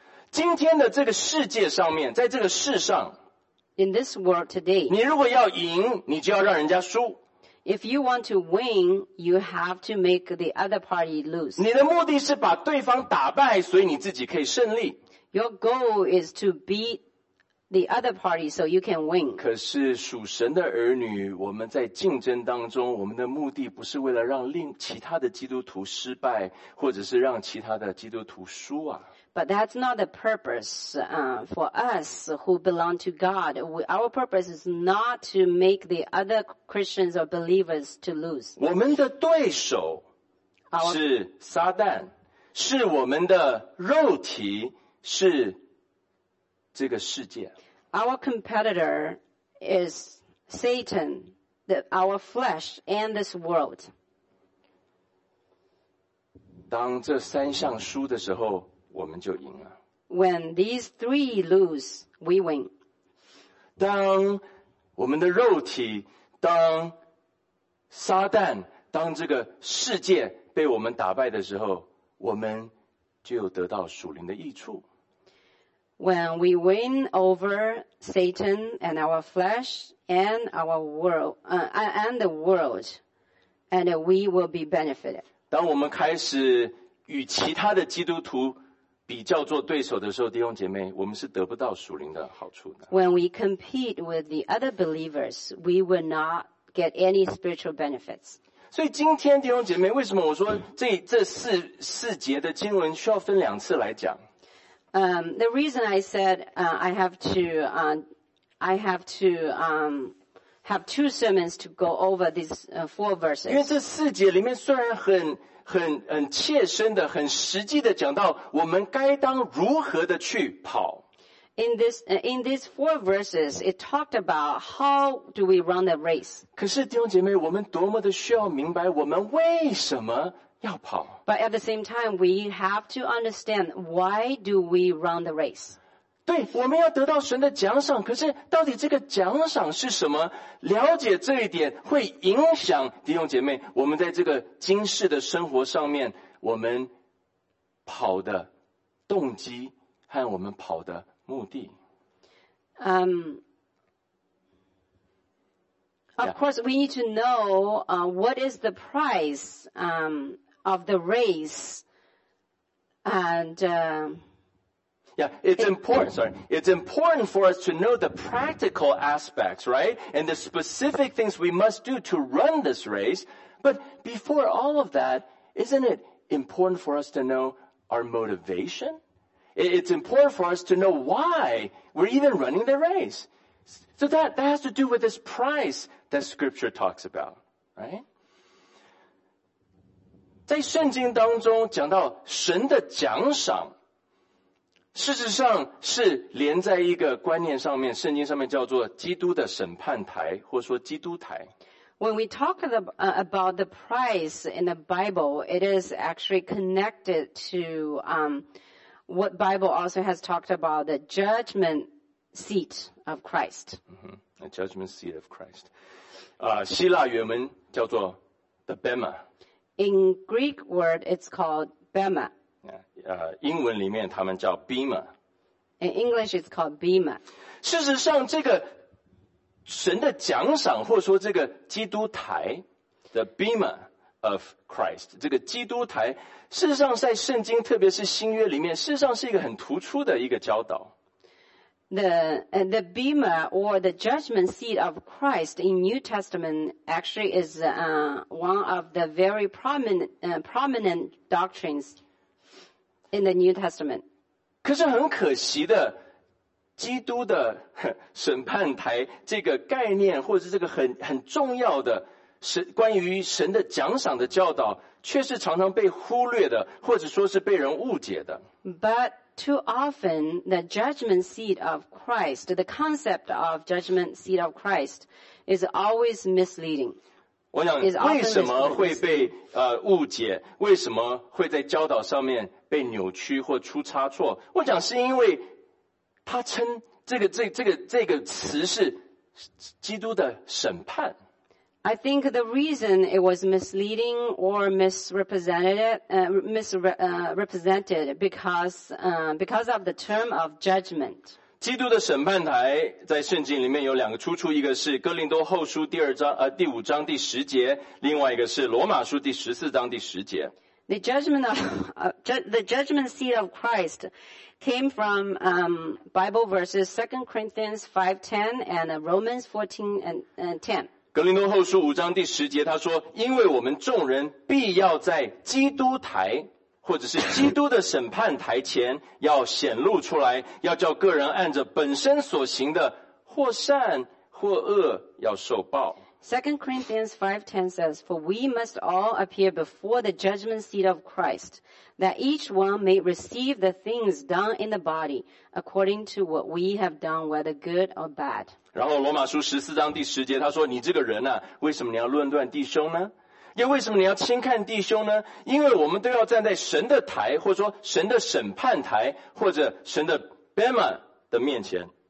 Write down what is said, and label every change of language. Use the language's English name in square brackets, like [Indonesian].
[Chinese] 今天的这个世界上面，在这个世上， [English] in this world today, [Chinese] 你如果要赢，你就要让人家输。 [English] If you want to win, you have to make the other party lose. [Chinese] 你的目的是把对方打败，所以你自己可以胜利。 [English] Your goal is to beat the other party so you can win. [Chinese] 可是属神的儿女，我们在竞争当中，我们的目的不是为了让另其他的基督徒失败，或者是让其他的基督徒输啊。 [English] But that's not the purpose for us who belong to God. Our purpose is not to make the other Christians or believers to lose. [Chinese] 我们的对手是撒旦，是我们的肉体，是这个世界。 [English] Our competitor is Satan, our flesh and this world. [Chinese] 当这三项输的时候，我们就赢了。 [English] When these three lose, we win. [Chinese] 当我们的肉体，当撒旦，当这个世界被我们打败的时候，我们就得到属灵的益处。 [English] When we win over Satan and our flesh and our world, and the world, and we will be benefited. [Chinese] 当我们开始与其他的基督徒比较做对手的时候，弟兄姐妹，我们是得不到属灵的好处的。 [English] When we compete with the other believers, we will not get any spiritual benefits. [Chinese] 所以今天弟兄姐妹，为什么我说这四节的经文需要分两次来讲？ [English] The reason I said I have two sermons to go over these four verses. [Chinese] 因为这四节里面虽然很切身的、很实际的讲到我们该当如何的去跑。 [English] In these four verses, it talked about how do we run the race. [Chinese] 可是弟兄姐妹，我们多么的需要明白我们为什么要跑。 [English] But at the same time, we have to understand why do we run the race. [Chinese] 对，我们要得到神的奖赏，可是到底这个奖赏是什么？了解这一点会影响弟兄姐妹，我们在这个今世的生活上面，我们跑的动机和我们跑的目的。 [English] Of course, we need to know what is the price of the race. And It's important for us to know the practical aspects, right? And the specific things we must do to run this race. But before all of that, isn't it important for us to know our motivation? It's important for us to know why we're even running the race. So that has to do with this price that scripture talks about, right? [Chinese] 在圣经当中讲到神的奖赏，事实上是连在一个观念上面，圣经上面叫做基督的审判台，或说基督台。 [English] When we talk about the price in the Bible, it is actually connected to what Bible also has talked about, the judgment seat of Christ. The judgment seat of Christ. [Chinese] 希腊原文叫做 [English] the Bema. In Greek word, it's called Bema. [Chinese] 英文里面他们叫 Bema. [English] In English, it's called Bema. [Chinese] 事实上这个神的奖赏，或说这个基督台 [English] the Bema of Christ, [Chinese] 这个基督台，事实上在圣经特别是新约里面，事实上是一个很突出的一个教导。 [English] The Bema or the judgment seat of Christ in New Testament actually is one of the very prominent doctrines in the New Testament. [Chinese] 可是很可惜的，基督的审判台这个概念，或者是这个很重要的关于神的奖赏的教导，却是常常被忽略的，或者说是被人误解的。 [English] But too often, the judgment seat of Christ, the concept of judgment seat of Christ is always misleading. [Chinese] 我想为什么会被误解，为什么会在教导上面被扭曲或出差错？我想是因为他称这个词是基督的审判。 [English] I think the reason it was misleading or misrepresented because of the term of judgment. [Chinese] 基督的审判台在圣经里面有两个出处，一个是哥林多后书第五章第十节，另外一个是罗马书第十四章第十节。 [English] The judgment seat of Christ came from Bible verses 2 Corinthians 5:10 and Romans 14:10. [Chinese] 格林多后书5章第10节, 他说, 因为我们众人必要在基督台, 或者是基督的审判台前, 要显露出来, 要叫个人按着本身所行的, 或善或恶, 要受报。 [English] 2 Corinthians 5:10 says, For we must all appear before the judgment seat of Christ, that each one may receive the things done in the body, according to what we have done, whether good or bad. [Chinese] 然后罗马书14章第10节, 他说, 你这个人啊, 为什么你要论断弟兄呢? 又为什么你要轻看弟兄呢?因为我们都要站在神的台, 或者说神的审判台, 或者神的Bema的面前。